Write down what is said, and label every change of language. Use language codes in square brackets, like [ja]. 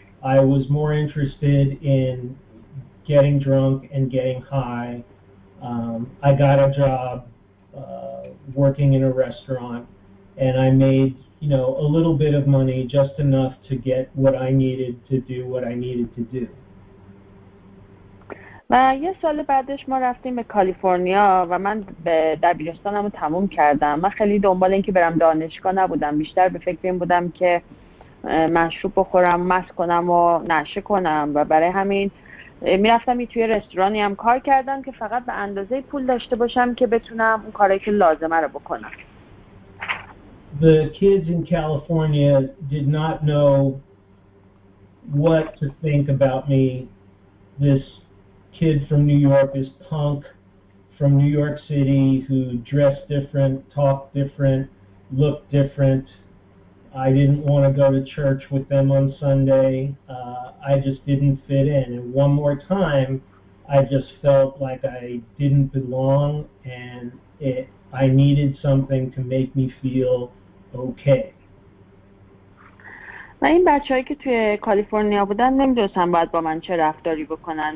[en] I was more interested in getting drunk and getting high. I got a job working in a restaurant, and I made you know, a little bit of money, just enough to get what I needed to do what I needed to do. [fa] و یه سال بعدش ما رفتیم به کالیفرنیا و من به دبیرستانم رو تموم کردم. من خیلی دنبال این که برم دانشگاه نبودم. بیشتر به فکر این بودم که مشروب بخورم، مست کنم و نشه کنم و برای همین میرفتم توی رستورانی هم کار کردم که فقط به اندازه پول داشته باشم که بتونم اون کارهایی که لازمه رو بکنم. [en] The kids in California did not know what to think about me. This kid from New York is punk from New York City who dressed different, talked different, looked different. I didn't want to go to church with them on Sunday. I just didn't fit in. And one more time, I just felt like I didn't belong and I needed something to make me feel okay. [fa] و این بچه‌ای که توی کالیفرنیا بودن نمی‌دونستن باید با من چه رفتاری بکنن.